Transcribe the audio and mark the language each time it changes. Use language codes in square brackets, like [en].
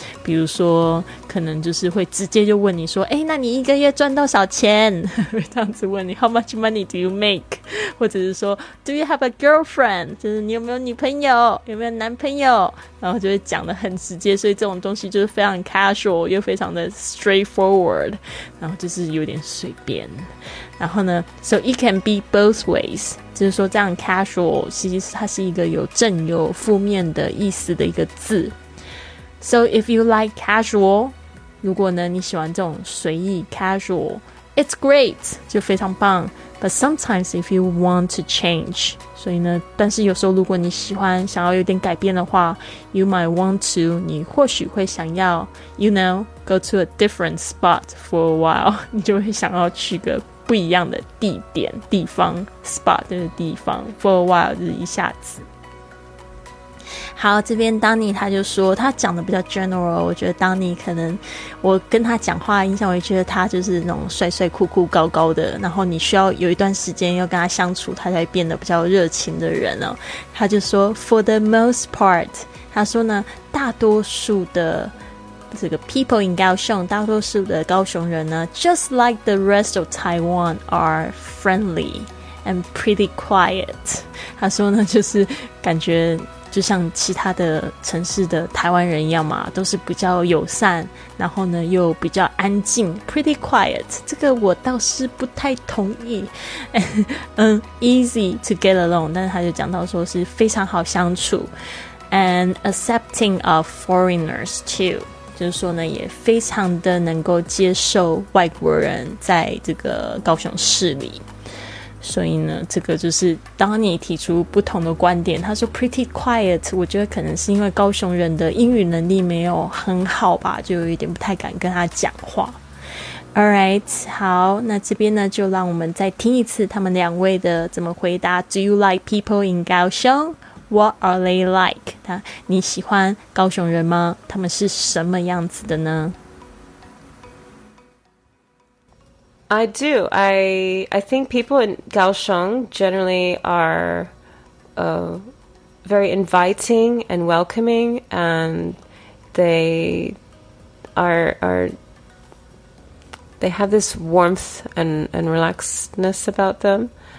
[zh] 比如说可能就是会直接就问你说，诶，那你一个月赚多少钱，这样子问你 [en] How much money do you make， [zh] 或者是说 [en] Do you have a girlfriend， [zh] 就是你有没有女朋友有没有男朋友，然后就会讲得很直接，所以这种东西就是非常 casual 又非常的 straightforward， 然后就是有点随便。然后呢 [en] So it can be both ways， [zh] 就是说这样 casual 其实它是一个有正有负面的意思的一个字。 [en] So if you like casual， [zh] 如果呢你喜欢这种随意 casual， [en] it's great， [zh] 就非常棒。 [en] But sometimes if you want to change， [zh] 所以呢但是有时候如果你喜欢想要有点改变的话， [en] you might want to， [zh] 你或许会想要 [en] you know go to a different spot for a while， [zh] 你就会想要去个不一样的地点地方， spot 就是地方， for a while 就是一下子。好，这边 Danny 他就说他讲的比较 general， 我觉得 Danny 可能我跟他讲话印象，我觉得他就是那种帅帅酷酷高高的，然后你需要有一段时间要跟他相处他才变得比较热情的人哦。他就说 [en] for the most part， [zh] 他说呢大多数的这个 [en] people in [zh] 高雄，大多数的高雄人呢 [en] just like the rest of Taiwan are friendly and pretty quiet。 [zh] 他说呢就是感觉就像其他的城市的台湾人一样嘛，都是比较友善，然后呢又比较安静 [en] pretty quiet， [zh] 这个我倒是不太同意。 [en] easy to get along， [zh] 但是他就讲到说是非常好相处。 [en] and accepting of foreigners too， [zh] 就是说呢也非常的能够接受外国人在这个高雄市里。所以呢这个就是当你提出不同的观点，他说 [en] pretty quiet， [zh] 我觉得可能是因为高雄人的英语能力没有很好吧，就有一点不太敢跟他讲话。 Alright， 好，那这边呢就让我们再听一次他们两位的怎么回答。 [en] Do you like people in 高雄？ What are they like？ [zh] 你喜欢高雄人吗？他们是什么样子的呢？ [en] I do. I think people in Kaohsiung generally are very inviting and welcoming, and they have this warmth and relaxedness about them.